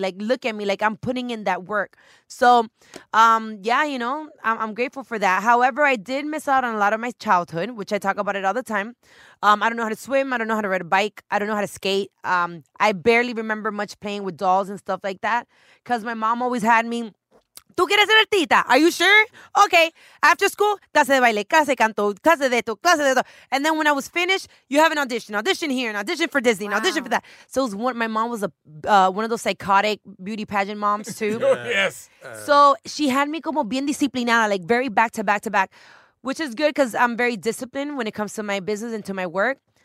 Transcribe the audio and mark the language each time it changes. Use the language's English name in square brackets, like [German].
[English] Like, look at me, like, I'm putting in that work. So, yeah, you know, I'm grateful for that. However, I did miss out on a lot of my childhood, which I talk about it all the time. I don't know how to swim. I don't know how to ride a bike. I don't know how to skate. I barely remember much playing with dolls and stuff like that because my mom always had me, [Spanish] ¿tú quieres ser artista? [English] Are you sure? Okay. After school, [Spanish] clase de baile, clase de canto, clase de esto, clase de esto. [English] And then when I was finished, you have an audition. Audition here, an audition for Disney, wow. An audition for that. So it was my mom was one of those psychotic beauty pageant moms too. Yes. So she had me [Spanish] como bien disciplinada, [English] like very back to back to back, which is good because I'm very disciplined when it comes to my business and to my work.